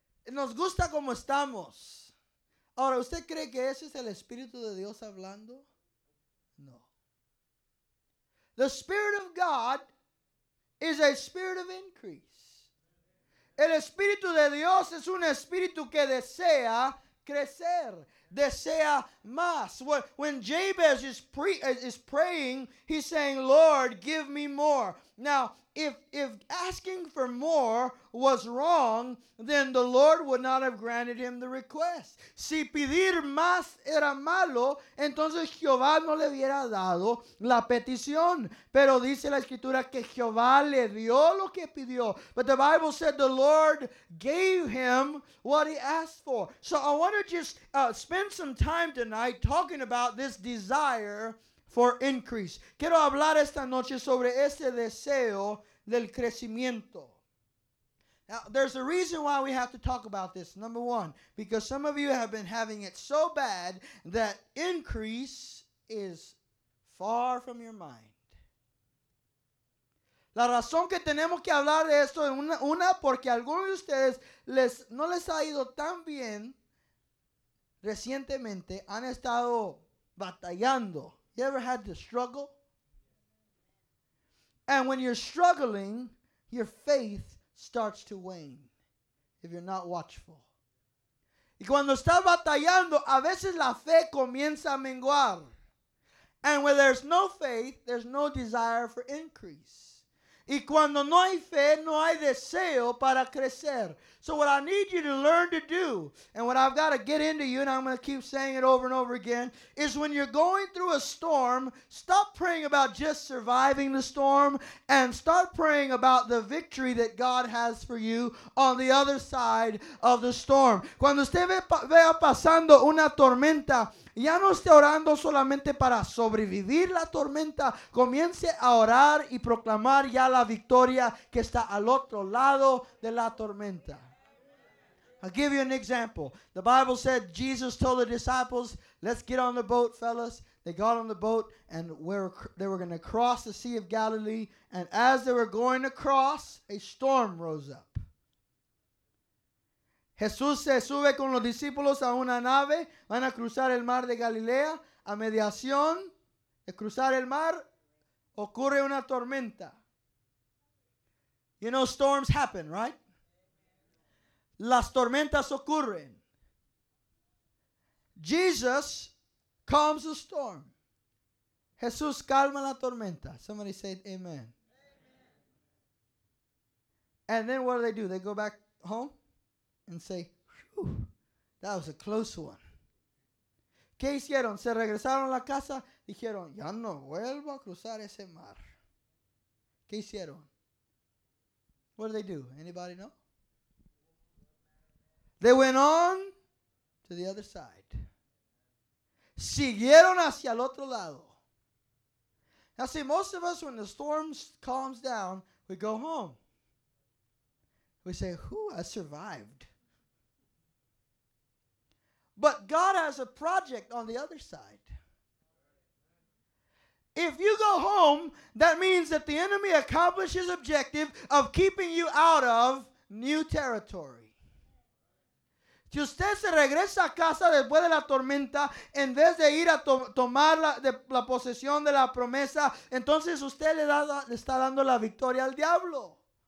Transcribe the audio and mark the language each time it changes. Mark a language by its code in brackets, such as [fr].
[es] Nos gusta como estamos." Ahora, ¿usted cree que ese es el Espíritu de Dios hablando? No. [en] The Spirit of God is a spirit of increase. [es] El Espíritu de Dios es un espíritu que desea crecer, desea más. [en] When Jabez is praying, he's saying, "Lord, give me more." Now, if asking for more was wrong, then the Lord would not have granted him the request. [es] Si pedir más era malo, entonces Jehová no le hubiera dado la petición. Pero dice la Escritura que Jehová le dio lo que pidió. [en] But the Bible said the Lord gave him what he asked for. So I want to just spend some time tonight talking about this desire for increase. [es] Quiero hablar esta noche sobre este deseo del crecimiento. [en] Now, there's a reason why we have to talk about this. Number one, because some of you have been having it so bad that increase is far from your mind. [es] La razón que tenemos que hablar de esto es una porque algunos de ustedes no les ha ido tan bien recientemente, han estado batallando. [en] You ever had to struggle? And when you're struggling, your faith starts to wane if you're not watchful. [es] Y cuando estás batallando, a veces la fe comienza a menguar. [en] And where there's no faith, there's no desire for increase. [es] Y cuando no hay fe, no hay deseo para crecer. [en] So what I need you to learn to do, and what I've got to get into you, and I'm going to keep saying it over and over again, is when you're going through a storm, stop praying about just surviving the storm, and start praying about the victory that God has for you on the other side of the storm. [es] Cuando usted vea pasando una tormenta, ya no esté orando solamente para sobrevivir la tormenta. Comience a orar y proclamar ya la victoria que está al otro lado de la tormenta. [en] I'll give you an example. The Bible said Jesus told the disciples, "Let's get on the boat, fellas." They got on the boat and they were going to cross the Sea of Galilee. And as they were going across, a storm rose up. [es] Jesús se sube con los discípulos a una nave. Van a cruzar el mar de Galilea. A mediación de cruzar el mar, ocurre una tormenta. [en] You know, storms happen, right? [es] Las tormentas ocurren. [en] Jesus calms the storm. [es] Jesús calma la tormenta. [en] Somebody say amen. And then what do? They go back home and say, "Whew, that was a close one." [es] ¿Qué hicieron? Se regresaron a la casa. Dijeron, "Ya no vuelvo a cruzar ese mar." ¿Qué hicieron? [en] What do? Anybody know? They went on to the other side. [es] Siguieron hacia el otro lado. [en] Now see, most of us, when the storm calms down, we go home. We say, "Whew, I survived." But God has a project on the other side. If you go home, that means that the enemy accomplished his objective of keeping you out of new territory. [es] Si usted se regresa a casa después de la tormenta, en vez de ir a tomar la posesión de la promesa, entonces usted le está dando la victoria al diablo.